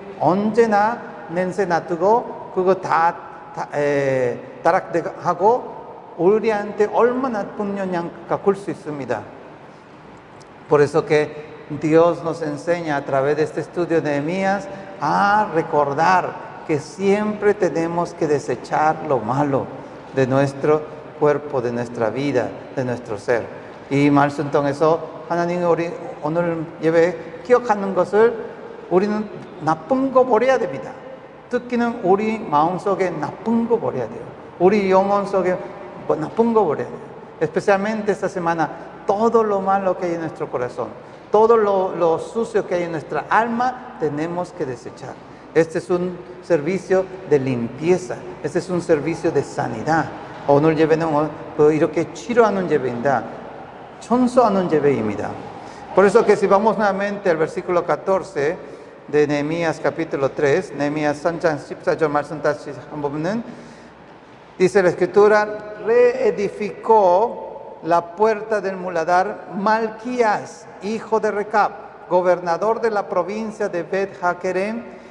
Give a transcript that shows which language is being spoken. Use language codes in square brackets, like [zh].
[ko] 언제나 냄새 놔두고 그거 다 다락하고 우리한테 얼마나 나쁜 영향 가꿀 수 있습니다. [es] Por eso que Dios nos enseña a través de este estudio de Nehemías a recordar que siempre tenemos que desechar lo malo de nuestro cuerpo, de nuestra vida, de nuestro ser. Y más entonces, [ko] 하나님 우리 오늘 예배 기억하는 것을 우리는 나쁜 거 버려야 됩니다. 특히는 우리 마음 속에 나쁜 거 버려야 돼요. 우리 영혼 속에 나쁜 거 버려야 돼요. [es] Especialmente esta semana, todo lo malo que hay en nuestro corazón, todo lo sucio que hay en nuestra alma, tenemos que desechar. Este es un servicio de limpieza, este es un servicio de sanidad. [ko] 오늘 예배는 이렇게 치료하는 예배입니다. 청소하는 예배입니다. [es] Por eso que si vamos nuevamente al versículo 14 de Nehemías capítulo 3, [ko] Nehemías 3장 14절 말씀 다시 한번 보면은, [es] dice la escritura, reedificó la puerta del muladar Malquías, hijo de Recab, gobernador de la provincia de Bet-Hakerem.